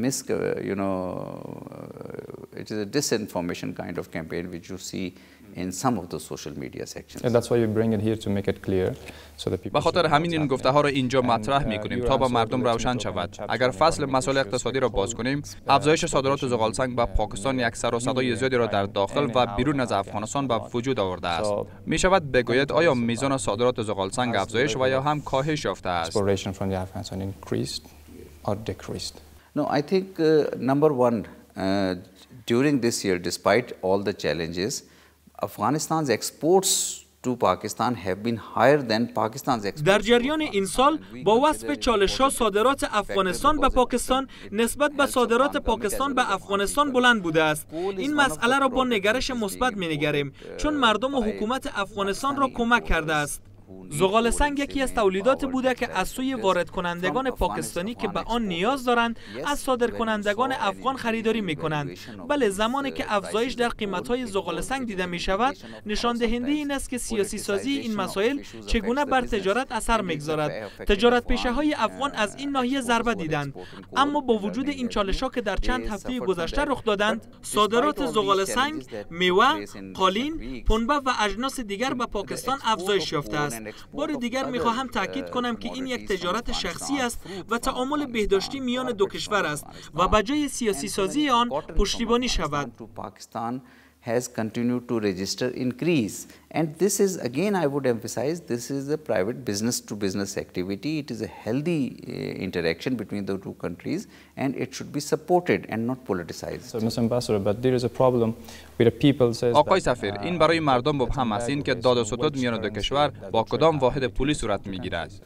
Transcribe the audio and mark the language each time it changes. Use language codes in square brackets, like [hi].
[en] So I think it is a disinformation kind of campaign which you see in some of the social media sections. And that's why you bring it here to make it clear. [fa] به خاطر همین این گفته ها را اینجا مطرح می کنیم تا به مردم روشن شود. اگر فصل مسائل اقتصادی را باز کنیم، افزایش صادرات زغال سنگ به پاکستان یک سر و صدای زیادی را در داخل و بیرون از افغانستان به وجود آورده است. می شود بگوید آیا میزان صادرات زغال سنگ افزایش و یا هم کاهش یافته است؟ [en] During this year, despite all the challenges, Afghanistan's exports to Pakistan have been higher than Pakistan's exports. [fa] در جریان این سال با وصف چالش‌ها صادرات افغانستان به پاکستان نسبت به صادرات پاکستان به افغانستان بلند بوده است. این مسئله را با نگرش مثبت می‌نگریم، چون مردم و حکومت افغانستان را کمک کرده است. زغال سنگ یکی از تولیدات بوده که از سوی وارد کنندگان پاکستانی که به آن نیاز دارند از صادر کنندگان افغان خریداری می کنند. بله، زمانی که افزایش در قیمتهای زغال سنگ دیده می شود، نشان دهنده این است که سیاسی سازی این مسائل چگونه بر تجارت اثر می گذارد. تجارت پیشه های افغان از این ناحیه ضربه دیدند. اما با وجود این چالش ها که در چند هفته گذشته رخ دادند، صادرات زغال سنگ، میوه، قالین، پنبه و اجناس دیگر به پاکستان افزایش یافته است. بار دیگر میخواهم تاکید کنم که این یک تجارت شخصی است و تعامل بهداشتی میان دو کشور است و به جای سیاسی سازی آن پشتیبانی شود. [en] Pakistan has continued to register increase and this is again I would emphasize this is a private business to business activity. It is a healthy interaction between the two countries and it should be supported and not politicized. So Mr. Ambassador, but there is a problem with the people says [fa] آقای سفیر, این برای مردم مبهم است. این که داد و ستد میان دو کشور با کدام واحد پولی صورت میگیرد؟